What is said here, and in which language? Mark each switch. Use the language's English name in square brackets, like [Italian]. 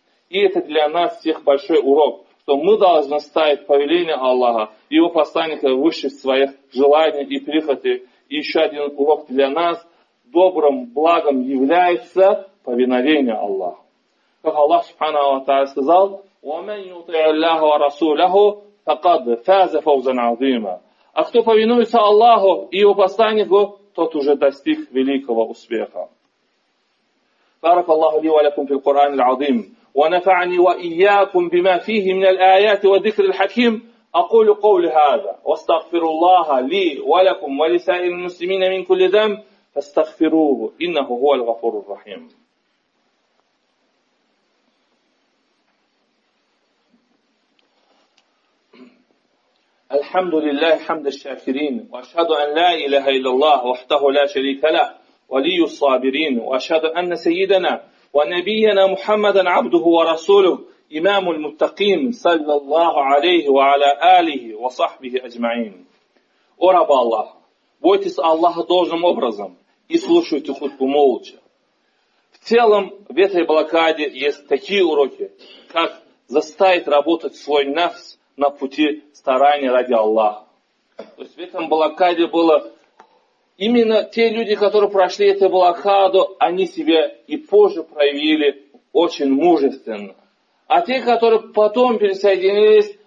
[Russian] И это для нас всех большой урок, что мы должны ставить повеление Аллаха, его посланника выше своих желаний и прихотей. И еще один урок для нас: добрым благом является повиновение Аллаху. Как Аллах субханаху ва тааля сказал: [Arabic] وَمَنْ يُطِعِ اللَّهُ وَرَسُولَهُ فَقَدْ فَازَ فَوْزًا عَظِيمًا. [Russian] А кто повинуется Аллаху и его посланнику, тот уже достиг великого успеха. [Arabic] بارك الله لي ولكم في القرآن العظيم ونفعني وإياكم بما فيه من الآيات وذكر الحكيم أقول قولي هذا واستغفر الله لي ولكم ولسائر المسلمين من كل ذنب فاستغفروه إنه هو الغفور الرحيم. الحمد لله حمد الشاكرين وأشهد أن لا إله إلا الله وحده لا شريك له ولي الصابرين وأشهد أن سيدنا ونبينا محمدا عبده ورسوله إمام المتقين صلى الله عليه وعلى آله وصحبه أجمعين. [Russian] О раб Аллаха, бойтесь Аллаха должным образом и слушайте хутбу молча. В целом в этой блокаде есть такие уроки, как заставить работать свой нафс на пути старания ради Аллаха. То есть в этом блокаде было именно те люди, которые прошли эту блокаду, они себя и позже проявили очень мужественно. А те, которые потом пересоединились,